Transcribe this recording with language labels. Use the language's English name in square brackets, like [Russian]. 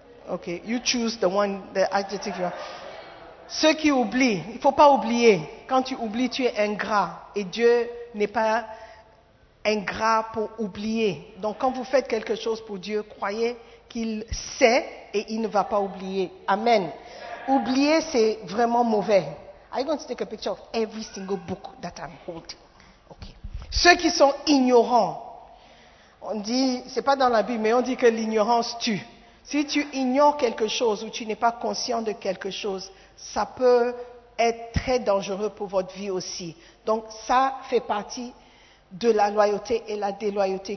[English] Ok, you choose the one, the adjective you want. [French] Ceux qui oublient, il ne faut pas oublier. Quand tu oublies, tu es ingrat. Et Dieu n'est pas ingrat pour oublier. Donc quand vous faites quelque chose pour Dieu, croyez qu'il sait et il ne va pas oublier. Amen. Oublier, c'est vraiment mauvais. [English] I'm going to take a picture of every single book that I'm holding. Okay. [French] Ceux qui sont ignorants, on dit, c'est pas dans la Bible, mais on dit que l'ignorance tue. Si tu ignores quelque chose ou tu n'es pas conscient de quelque chose, ça peut être très dangereux pour votre vie aussi. Donc, ça fait partie de la loyauté et la déloyauté.